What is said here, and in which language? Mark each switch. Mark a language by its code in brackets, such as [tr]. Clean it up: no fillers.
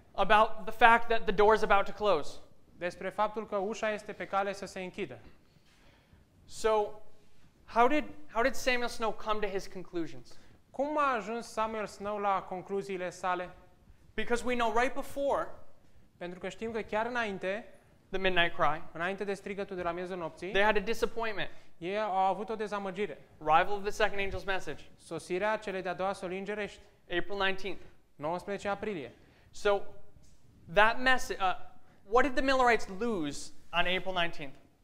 [en] About the fact that the door is about to close. [ro] Despre faptul că ușa este pe cale să se închidă. [en] So, how did Samuel Snow come to his conclusions? [ro] Cum a ajuns Samuel Snow la concluziile sale? [en] Because we know right before, [ro] pentru că știm că chiar înainte, [en] the midnight cry, [ro] înainte de strigătul de la miezul nopții, [en] they had a disappointment. [ro] Ei au avut o dezamăgire. [en] Rival of the second angel's message. [ro] Sosirea celei de-a doua soli îngerești. [en] April 19th. [ro] 19 aprilie. [en] So, that message, what did the Millerites lose on April 19th?